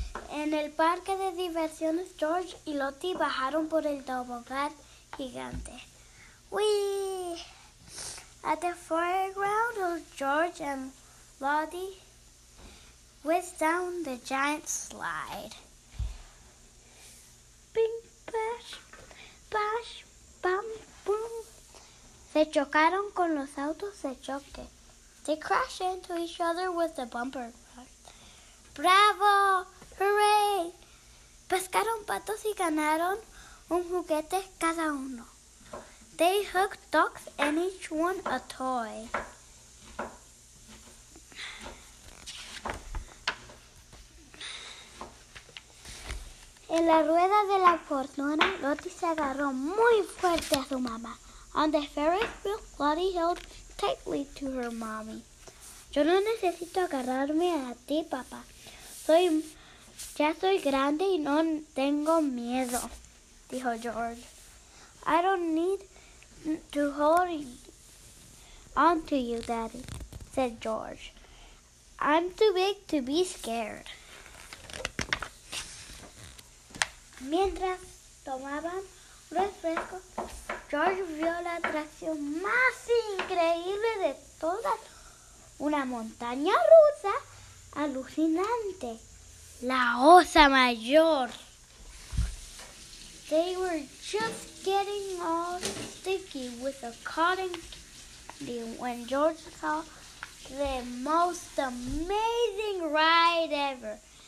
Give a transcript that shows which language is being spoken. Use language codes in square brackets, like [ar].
[es] En el parque de diversiones, George y Lottie bajaron por el tobogán gigante. ¡Wii! [en] At the fairground, George and Lottie went down the giant slide. ¡Ping, bash, bash, bam, boom! [es] Se chocaron con los autos de choque. [en] They crashed into each other with the bumper. ¡Bravo! ¡Hurray! [es] Pescaron patos y ganaron un juguete cada uno. [en] They hooked ducks and each one a toy. [es] En la rueda de la fortuna, Lottie se agarró muy fuerte a su mamá. [en] On the ferris wheel, Lottie held tightly to her mommy. [es] Yo no necesito agarrarme a ti, papá. Ya soy grande y no tengo miedo, dijo George. [en] I don't need to hold on to you, Daddy, said George. I'm too big to be scared. [es] Mientras tomaban refresco, George vio la atracción más increíble de todas, una montaña rusa alucinante. La Osa Mayor. [en] They were just getting all sticky with the cotton candy when George saw the most amazing ride ever.